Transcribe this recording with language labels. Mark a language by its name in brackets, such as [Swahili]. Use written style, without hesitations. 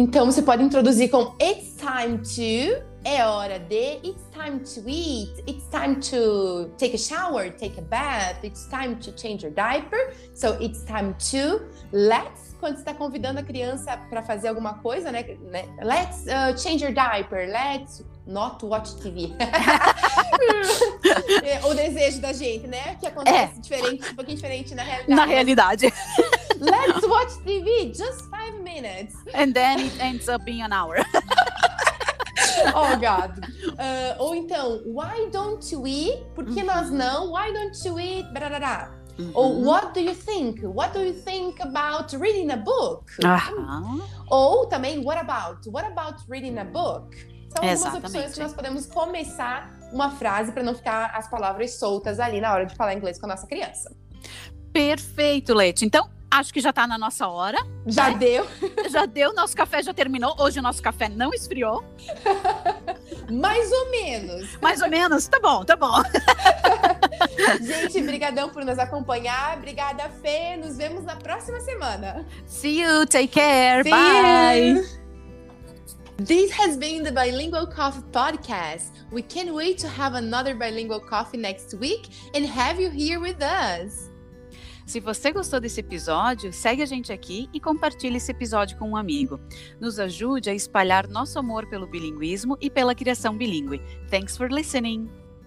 [Portuguese] Então você pode introduzir com [English] it's time to, [Portuguese] é hora de, [English] it's time to eat, it's time to take a shower, take a bath, it's time to change your diaper, so it's time to, let's, [Portuguese] quando você está convidando a criança para fazer alguma coisa, né, [English] let's change your diaper, let's not watch TV. [Portuguese] O desejo da gente, né? Que acontece diferente, um pouquinho diferente na realidade. Na realidade. [English] Let's watch TV, just 5 minutes. And then it ends up being an hour. Oh, God. [Portuguese] Ou então, [English] why don't we? [Portuguese] Por que nós não? [English] Why don't you eat? Brarará. Ou what do you think? What do you think about reading a book? [Portuguese] Ou também, [English] what about? What about reading a book? [Portuguese] São algumas opções que nós podemos começar uma frase para não ficar as palavras soltas ali na hora de falar inglês com a nossa criança. Perfeito, Leti. Então, acho que já está na nossa hora. Já deu. Já deu, nosso café já terminou. Hoje o nosso café não esfriou. Mais ou menos. Mais ou menos? Tá bom. Gente, brigadão por nos acompanhar. Obrigada, Fê. Nos vemos na próxima semana. [English] See you. Take care. See Bye. You. This has been the Bilingual Coffee Podcast. We can't wait to have another Bilingual Coffee next week and have you here with us. [Portuguese] Se você gostou desse episódio, segue a gente aqui e compartilhe esse episódio com um amigo. Nos ajude a espalhar nosso amor pelo bilinguismo e pela criação bilíngue. [English] Thanks for listening.